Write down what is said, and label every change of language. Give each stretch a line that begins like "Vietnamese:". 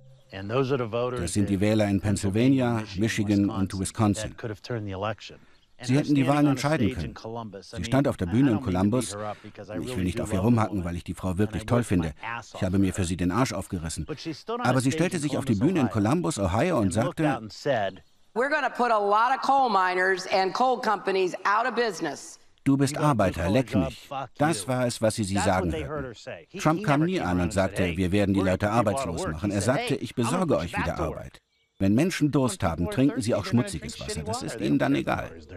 German: Das sind die Wähler in Pennsylvania, Michigan und Wisconsin. Sie hätten die Wahlen entscheiden können. Sie stand auf der Bühne in Columbus. Ich will nicht auf ihr rumhacken, weil ich die Frau wirklich toll finde. Ich habe mir für sie den Arsch aufgerissen. Aber sie stellte sich auf die Bühne in Columbus, Ohio und sagte:
English: We're going to put a lot of coal miners and coal companies out of business.
German: Du bist Arbeiter, leck mich. Das war es, was sie sagen hörten. Trump kam nie an und sagte, wir werden die Leute arbeitslos machen. Er sagte, ich besorge euch wieder Arbeit. Wenn Menschen Durst haben, trinken sie auch schmutziges Wasser. Das ist ihnen dann egal.